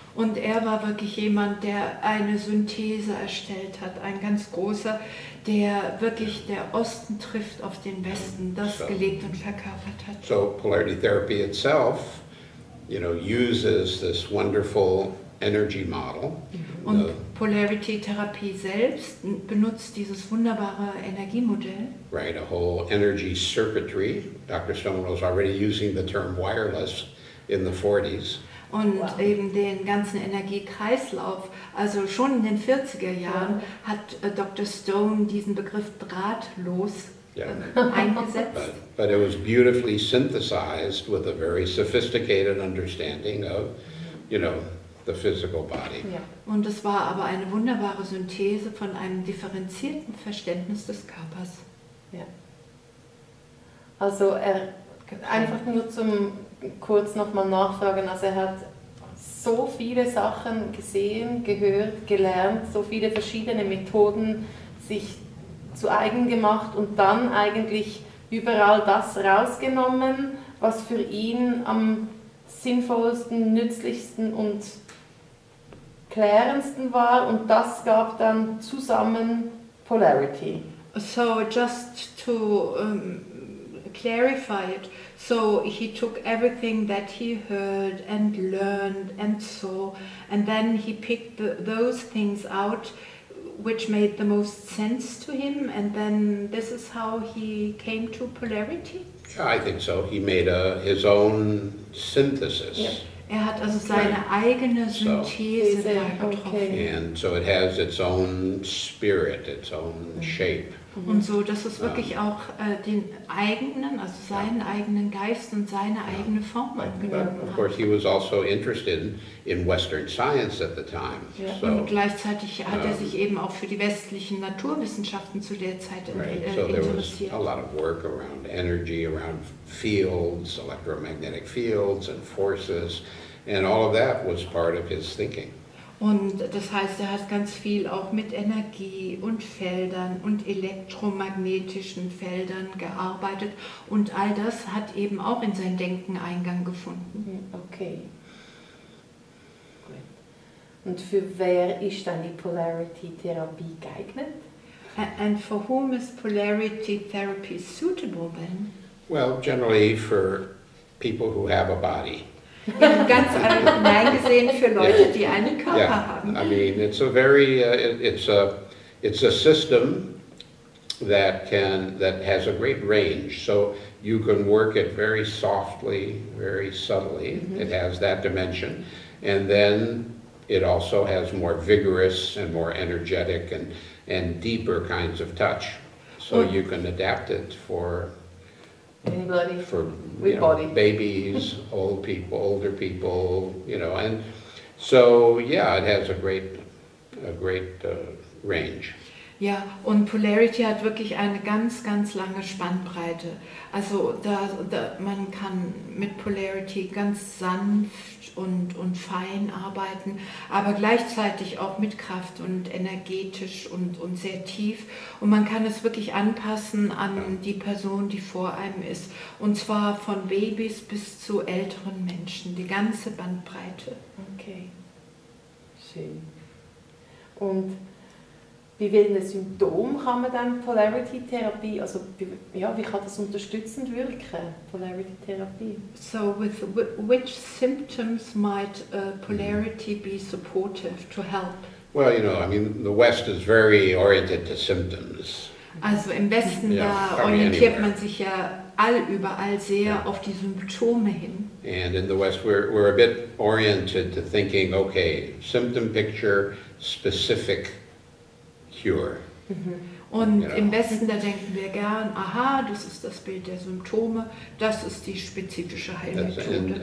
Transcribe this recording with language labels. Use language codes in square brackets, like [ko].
[de] Und er war wirklich jemand, der eine Synthese erstellt hat, ein ganz großer, der wirklich der Osten trifft auf den Westen, gelegt und verkörpert hat. [en] So polarity therapy itself, uses this wonderful energy model. [de] Und polarity therapy selbst benutzt dieses wunderbare Energiemodell. [en] Right, a whole energy circuitry. Dr. Stone was already using the term wireless in the 40s. [de] Und eben den ganzen Energiekreislauf, also schon in den 40er Jahren, hat Dr. Stone diesen Begriff drahtlos eingesetzt. [en] But it was beautifully synthesized with a very sophisticated understanding of, the physical body. [de] Und es war aber eine wunderbare Synthese von einem differenzierten Verständnis des Körpers. Also einfach nur zum kurz nochmal nachfragen, also er hat so viele Sachen gesehen, gehört, gelernt, so viele verschiedene Methoden sich zu eigen gemacht und dann eigentlich überall das rausgenommen, was für ihn am sinnvollsten, nützlichsten und klärendsten war und das gab dann zusammen Polarity. [en] So just to clarify it, so he took everything that he heard and learned and saw and then he picked those things out which made the most sense to him and then this is how he came to Polarity? Yeah, I think so. He made his own synthesis. [de] Er hat also seine eigene Synthese da getroffen. [en] And so it has its own spirit, its own shape. [de] Und so, dass es wirklich auch den eigenen, also seinen eigenen Geist und seine eigene Form angenommen hat. [en] Of course, he was also interested in Western science at the time. [de] So, und gleichzeitig hat er sich eben auch für die westlichen Naturwissenschaften zu der Zeit interessiert. [en] So there was a lot of work around energy, around fields, electromagnetic fields and forces, and all of that was part of his thinking. [de] Und das heißt, er hat ganz viel auch mit Energie und Feldern und elektromagnetischen Feldern gearbeitet. Und all das hat eben auch in sein Denken Eingang gefunden. Okay. Gut. Und für wer ist dann die Polarity-Therapie geeignet? [en] And for whom is Polarity Therapy suitable then? Well, generally for people who have a body. Ganz allgemein gesehen für Leute, die einen Körper haben. I mean, it's a very, it's a system that can, that has a great range. So you can work it very softly, very subtly. Mm-hmm. It has that dimension, and then it also has more vigorous and more energetic and deeper kinds of touch. So you can adapt it for. Anybody for with know, body. Babies, old people, older people, you know, and so yeah, it has a great range. [de] Ja, und Polarity hat wirklich eine ganz, ganz lange Spannbreite. Also da man kann mit Polarity ganz sanft und fein arbeiten, aber gleichzeitig auch mit Kraft und energetisch und sehr tief. Und man kann es wirklich anpassen an die Person, die vor einem ist. Und zwar von Babys bis zu älteren Menschen, die ganze Bandbreite. Okay, schön. Und wie viele Symptome kann man dann Polarity-Therapie, also ja, wie kann das unterstützend wirken, Polarity-Therapie? [en] So, with which symptoms might Polarity be supportive to help? Well, you know, I mean, the West is very oriented to symptoms. [de] Also im Westen, da orientiert man sich ja überall sehr auf die Symptome hin. [en] And in the West, we're a bit oriented to thinking, okay, symptom picture, specific cure. [de] Und im Westen, da denken wir gern, aha, das ist das Bild der Symptome, das ist die spezifische Heilmethode.